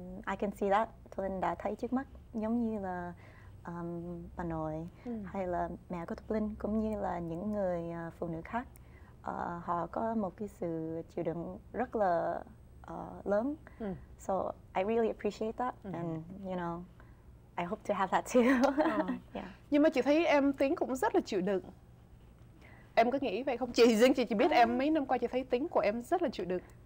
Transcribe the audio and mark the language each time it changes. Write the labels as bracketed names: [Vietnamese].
[English] I can see that, [Vietnamese] Thục Linh đã thấy trước mắt, giống như là bà nội hay là mẹ của Thục Linh cũng như là những người phụ nữ khác, họ có một cái sự chịu đựng rất là lớn. [English] So I really appreciate that, and you know, I hope to have that too. [Vietnamese] Nhưng mà chị thấy em Tiến cũng rất là chịu đựng. Em có nghĩ vậy không? Chị riêng chị biết em mấy năm qua chị thấy tính của em rất là chịu đựng.